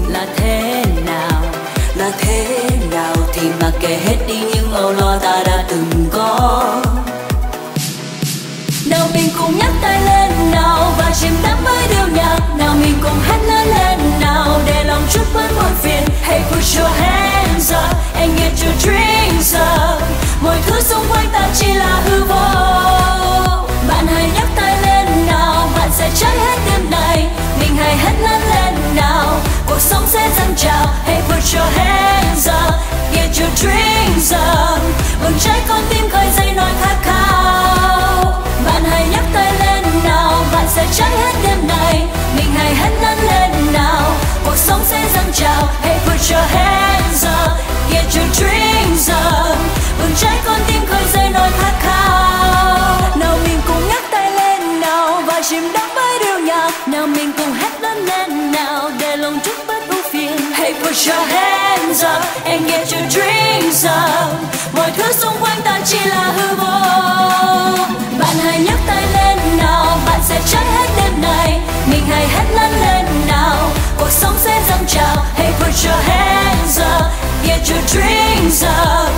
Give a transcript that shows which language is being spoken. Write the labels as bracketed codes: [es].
[vi] Là thế nào? Là thế nào? Thì mặc kệ hết đi những âu lo ta đã từng có. Nào mình cùng nhấc tay lên nào và chìm đắm với điệu nhạc. Nào mình cùng hát lớn lên nào để lòng chút bớt buồn phiền. [en] Hey put your hands up and get your drinks up. [vi] Mọi thứ xung quanh ta chỉ là hư vô. Bạn hãy nhấc tay lên nào, bạn sẽ cháy hết đêm này. Mình hãy hát lớn lên nào, cuộc sống sẽ dâng trào. [en] Hey put your hands up, get your drinks up. [vi] Bừng cháy con tim khơi dậy nỗi khát khao. Bạn hãy nhấc tay lên nào, bạn sẽ cháy hết đêm này. Mình hãy hát lớn lên nào, cuộc sống sẽ dâng trào. [en] Hey put your hands up, get your drinks up. [vi] Bừng cháy con tim khơi dậy nỗi khát khao. Nào mình cùng nhấc tay lên nào và chìm đắm với điệu nhạc. Nào mình cùng hát lớn lên nào để lòng chút bớt ưu phiền. [en] Hey put your hands up and get your drinks up. [vi] Mọi thứ xung quanh ta chỉ là hư vô. Bạn hãy nhấc tay lên nào, bạn sẽ cháy hết đêm này. Mình hãy hát lớn lên nào, cuộc sống sẽ dâng trào. [en] Hey put your hands up, get your drinks up.